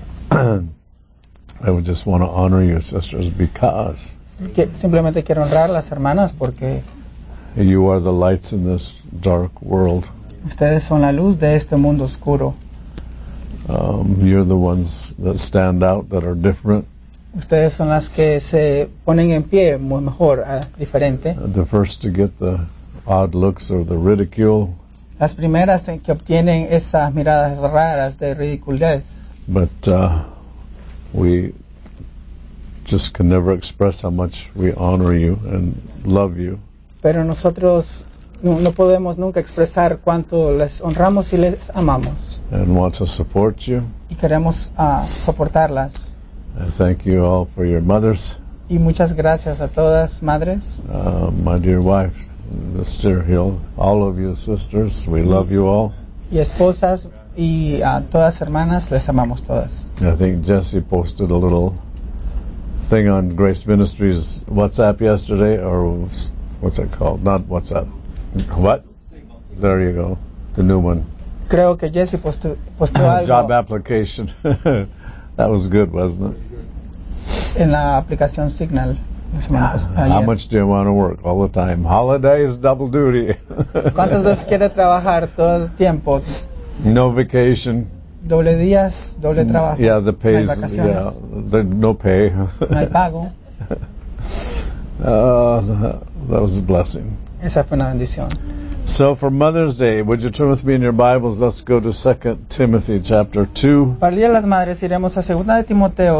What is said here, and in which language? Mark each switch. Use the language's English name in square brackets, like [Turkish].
[English] I would just want to honor your sisters because [Spanish] que simplemente quiero honrar las hermanas porque [English] you are the lights in this dark world. [Spanish] Ustedes son la luz de este mundo oscuro. [English] You're the ones that stand out, that are different. [Spanish] Ustedes son las que se ponen en pie muy mejor, diferente. [English] The first to get the odd looks or the ridicule. [Spanish] Las primeras en que obtienen esas miradas raras de ridiculez. [English] But we just can never express how much we honor you and love you. [Spanish] Pero nosotros no podemos nunca expresar cuánto les honramos y les amamos. [English] And want to support you. [Spanish] Y queremos soportarlas. [English] And thank you all for your mothers. [Spanish] Y muchas gracias a todas, madres. [English] My dear wife, Mr. Hill, all of you sisters, we love you all. [Spanish] Y esposas y todas hermanas, les amamos todas. [English] I think Jesse posted a little thing on Grace Ministries WhatsApp yesterday, or what's it called? Not WhatsApp. What? There you go. The new one. [Spanish] Creo que Jesse postó algo. [English] Job application. That was good, wasn't it? [Spanish] En la aplicación Signal. [English] How much do you want to work all the time? Holidays, double duty. [Spanish] ¿Cuántas veces quiere trabajar todo el tiempo? [English] No vacation. [Spanish] Doble días, doble trabajo. [English] Yeah, the pay. No pay. [Spanish] No hay pago. [English] That was a blessing. [Spanish] Esa fue una bendición. [English] So for Mother's Day, would you turn with me in your Bibles? Let's go to 2 Timothy chapter 2. [Spanish] Para el Día de las Madres iremos a 2 de Timoteo.